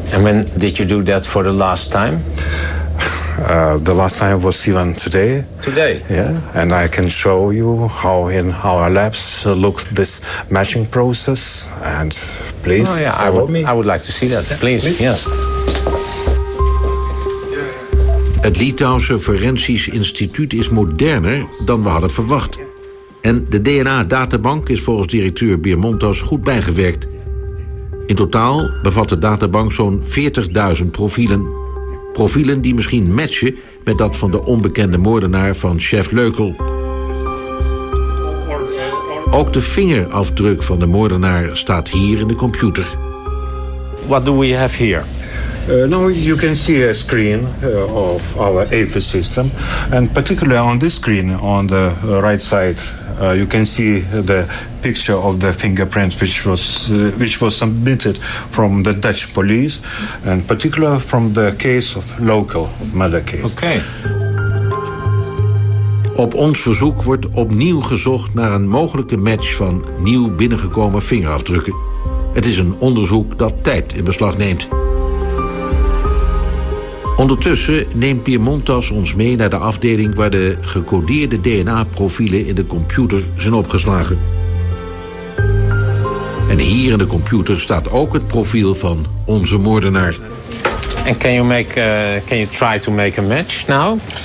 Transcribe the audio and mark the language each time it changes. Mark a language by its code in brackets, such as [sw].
[en] And when did you do that for the last time? The last time was even today. Today? Yeah, and I can show you how in our labs looks this matching process. And please, follow me. I would like to see that, please. Yes. [nl] Het Litouwse Forensisch Instituut is moderner dan we hadden verwacht. En de DNA-databank is volgens directeur Biermontas goed bijgewerkt. In totaal bevat de databank zo'n 40.000 profielen. Profielen die misschien matchen met dat van de onbekende moordenaar van chef Leukel. Ook de vingerafdruk van de moordenaar staat hier in de computer. [en] What do we have here? Now you can see a screen of our AFIS system. And particularly on this screen, on the right side, you can see the picture of the fingerprints which was submitted from the Dutch police, and particularly from the case of local murder case. Okay. [nl] Op ons verzoek wordt opnieuw gezocht naar een mogelijke match van nieuw binnengekomen vingerafdrukken. Het is een onderzoek dat tijd in beslag neemt. Ondertussen neemt Piermontas ons mee naar de afdeling waar de gecodeerde DNA-profielen in de computer zijn opgeslagen. En hier in de computer staat ook het profiel van onze moordenaar. [en] And can you try to make a match now?